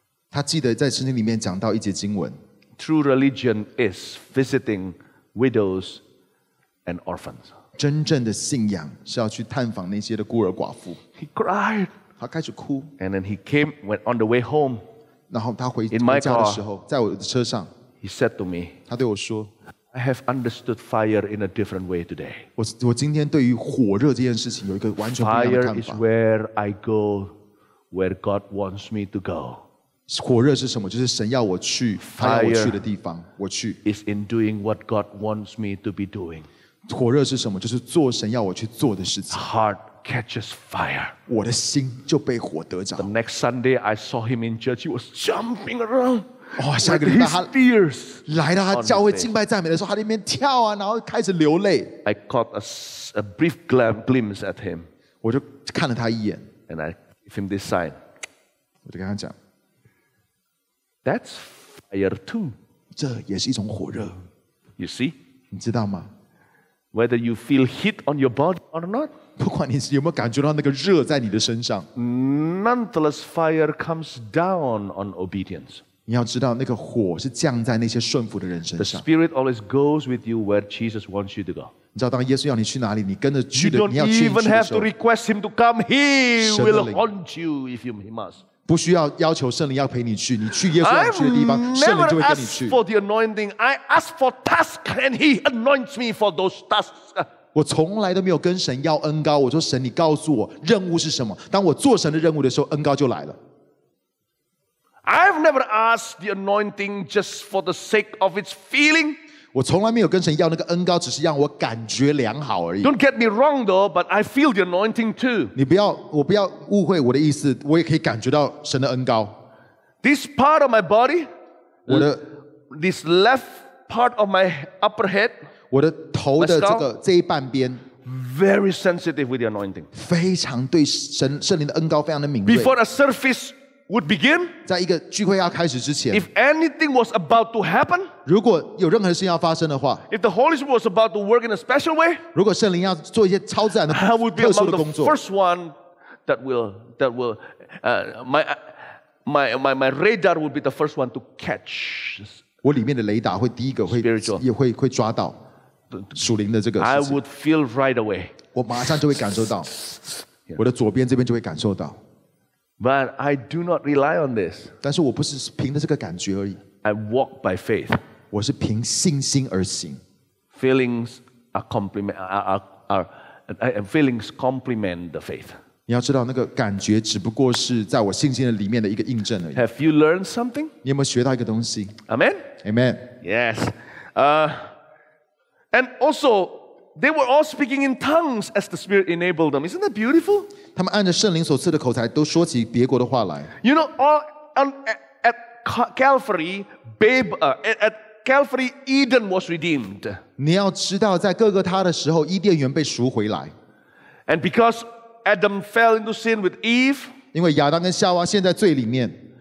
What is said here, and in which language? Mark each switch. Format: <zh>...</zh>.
<zh>他记得在圣经里面讲到一节经文。</zh> <en>True religion is visiting widows and orphans.</en> <zh>真正的信仰是要去探访那些的孤儿寡妇。</zh> <en>He cried.</en> <zh>他开始哭。</zh> <en>And then he came, went on the way home.</en> <zh>然后他回家的时候，在我的车上。</zh> <en>He said to me,</en> <zh>他对我说,</zh> <en>"I have understood fire in a different way today."</en> <zh>我今天对于火热这件事情有一个完全不一样的看法。</zh> <en>Fire is where I go, where God wants me to go.</en> <zh>火热是什么？就是神要我去，他要我去的地方，我去。</zh> <en>Is in doing what God wants me to be doing.</en> <zh>火热是什么？就是做神要我去做的事情。</zh> <en>Heart catches fire.</en> <zh>我的心就被火得着。</zh> <en>The next Sunday, I saw him in church. He was jumping around.</en> <zh>哇，下一个礼拜他来到他教会敬拜赞美的时候，他那边跳啊，然后开始流泪。</zh> <en>I caught a brief glimpse at him.</en> <zh>我就看了他一眼。</zh> <en>And I gave him this sign.</en> <zh>我就跟他讲</zh> <en>，That's fire too.</en> <zh>这也是一种火热。</zh> <en>You see?</en> <zh>你知道吗</zh> <en>？Whether you feel heat on your body or not.</en> <zh>不管你有没有感觉到那个热在你的身上</zh> <en>，Nonetheless, fire comes down on obedience.</en> <zh>你要知道，那个火是降在那些顺服的人身上。</zh> <en>The Spirit always goes with you where Jesus wants you to go.</en> <zh>你知道，当耶稣要你去哪里，你跟着去的，你要去的时候。</zh> <en>You don't even have to request Him to come. He will haunt you if you must.</en> <zh>不需要要求圣灵要陪你去，你去耶稣要去的地方，圣灵就会跟你去。</zh> <en>I never ask for the anointing. I ask for task, and He anoints me for those tasks.</en> <zh>我从来都没有跟神要恩膏。我说，神，你告诉我任务是什么？当我做神的任务的时候，恩膏就来了。</zh> <en>I've never asked the anointing just for the sake of its feeling.</en> <zh>我从来没有跟神要那个恩膏，只是让我感觉良好而已。</zh> <en>Don't get me wrong, though, but I feel the anointing too.</en> <zh>你不要，我不要误会我的意思，我也可以感觉到神的恩膏。</zh> <en>This part of my body,</en> <zh>我的</zh> <en>this left part of my upper head,</en> <zh>我的头的这个这一半边。</zh> <en>Very sensitive with the anointing.</en> <zh>非常对神圣灵的恩膏非常的敏锐。</zh> <en>Before a service. Would begin,</en> <zh>在一个聚会要开始之前</zh> <en>if anything was about to happen,</en> <zh>如果有任何事情要发生的话</zh> <en>if the Holy Spirit was about to work in a special way,</en> <zh>如果圣灵要做一些超自然的特殊的工作</zh> <en>I would be among the first one my radar would be the first one to catch.</en> <zh>我里面的雷达会第一个会</zh> <en>spiritual,</en> <zh>也 会抓到属灵的这个事情</zh> <en>I would feel right away.</en> <zh>我马上就会感受到 我的左边这边就会感受到</zh> <en>But I do not rely on this.</en> <zh>但是我不是凭着这个感觉而已。</zh> <en>I walk by faith.</en> <zh>我是凭信心而行。</zh> <en>Feelings are complement are feelings complement the faith.</en> <zh>你要知道，那个感觉只不过是在我信心里面的一个印证而已。</zh> <en>Have you learned something?</en> <zh>你有没有学到一个东西</zh> <en>？Amen. Amen. Yes. And also. They were all speaking in tongues as the Spirit enabled them. Isn't that beautiful?</en> <zh>他们按着圣灵所赐的口才都说起别国的话来。</zh> <en>You know, at Calvary, Eden was redeemed.</en> <zh>你要知道，在哥哥他的时候，伊甸园被赎回来。</zh> <en>And because Adam fell into sin with Eve,</en> <zh>因为亚当跟夏娃陷在罪里面。</zh>